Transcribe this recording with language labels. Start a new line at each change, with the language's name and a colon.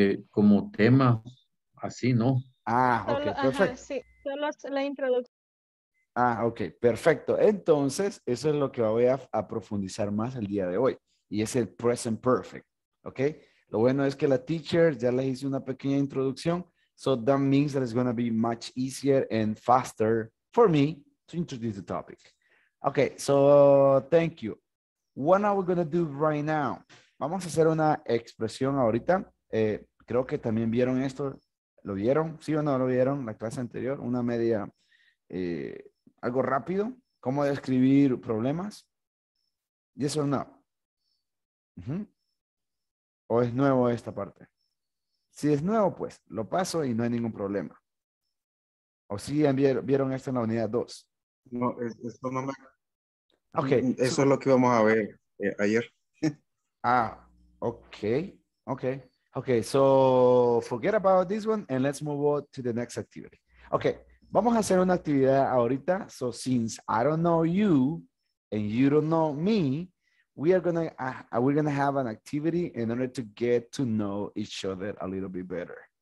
Spanish: Como tema, así, ¿no? Ah, ok, solo, perfecto. Ajá, sí, solo la introducción. Ah, ok, perfecto. Entonces, eso es lo que voy a profundizar más el día de hoy. Y es el present perfect, ¿ok? Lo bueno es que la teacher ya les hice una pequeña introducción.
English: So that means that it's going to be much easier and faster for me to introduce the topic. Ok, so thank you. What are we going to do right now?
Spanish: Vamos a hacer una expresión ahorita. Creo que también vieron esto. ¿Lo vieron? ¿Sí o no lo vieron? La clase anterior. Una media. Algo rápido. ¿Cómo describir problemas?
English: ¿Yes or no?
Spanish: Uh-huh. ¿O es nuevo esta parte? Si es nuevo, pues lo paso y no hay ningún problema. ¿O sí vieron esto en la unidad 2? No, es lo mamá. Okay. Eso es lo que vamos a ver ayer. Ah, okay. Okay.
English: Okay, so forget about this one and let's move on to the next activity. Okay,
Spanish: vamos a hacer una actividad ahorita.
English: So since I don't know you and you don't know me, we're gonna have an activity in order to get to know each other a little bit better.